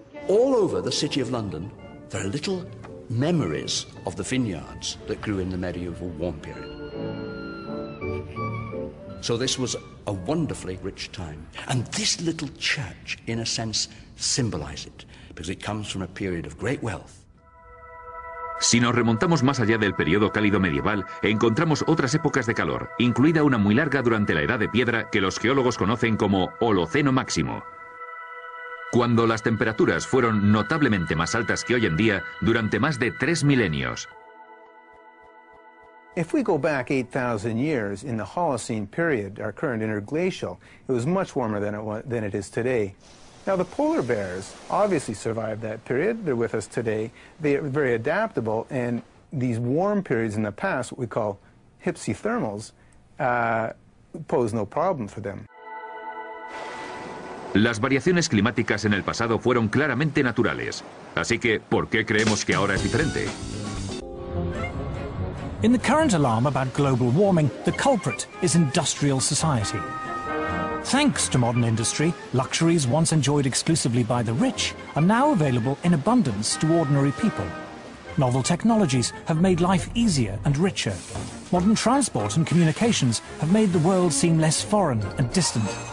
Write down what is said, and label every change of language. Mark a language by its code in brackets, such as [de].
[en] All over the city of London, there are little memories of the vineyards that grew in the medieval warm period. So this was a wonderfully rich time. And this little church, in a sense, symbolizes it, because it comes from a period of great wealth. [es] Si nos remontamos más allá del periodo cálido medieval, encontramos otras épocas de calor, incluida una muy larga durante la Edad de Piedra que los geólogos conocen como Holoceno Máximo. Cuando las temperaturas fueron notablemente más altas que hoy en día durante más de tres milenios. [en] If we go back 8,000 years in the Holocene period, our current interglacial, it was much warmer than it is today. Now the polar bears obviously survived that period, they're with us today, they are very adaptable, and these warm periods in the past, what we call hypsothermals, pose no problem for them. [es] Las variaciones climáticas en el pasado fueron claramente naturales, así que, ¿por qué creemos que ahora es diferente? [en] In the current alarm about global warming, the culprit is industrial society. Thanks to modern industry, luxuries once enjoyed exclusively by the rich are now available in abundance to ordinary people. Novel technologies have made life easier and richer. Modern transport and communications have made the world seem less foreign and distant.